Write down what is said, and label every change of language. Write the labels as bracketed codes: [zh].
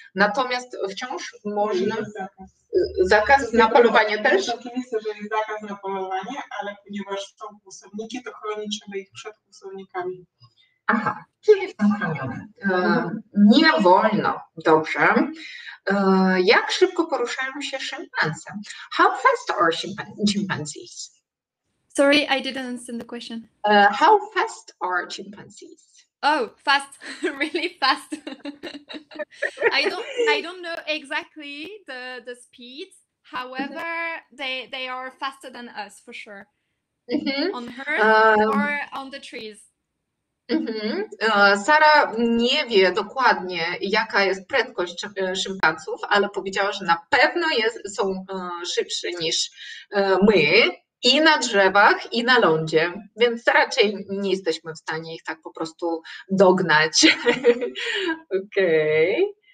[pl] Natomiast wciąż można... Zakaz na polowanie też? Oczywiście, że jest zakaz na polowanie, ale ponieważ są kłusowniki, to chronić trzeba ich przed kłusownikami. Aha, czyli są chronione. Nie wolno. Dobrze. Jak szybko poruszają się szympanse? [en] How fast are chimpanzees? Sorry, I didn't understand the question. How fast are chimpanzees? Oh, fast, really fast. I don't know exactly the speed. However, they are faster than us for sure. Mm-hmm. On Earth or on the trees. Mm-hmm. [pl] Sara nie wie dokładnie, jaka jest prędkość szympansów, ale powiedziała, że na pewno są szybsze niż my. I na drzewach, i na lądzie, więc raczej nie jesteśmy w stanie ich tak po prostu dognać. Okej.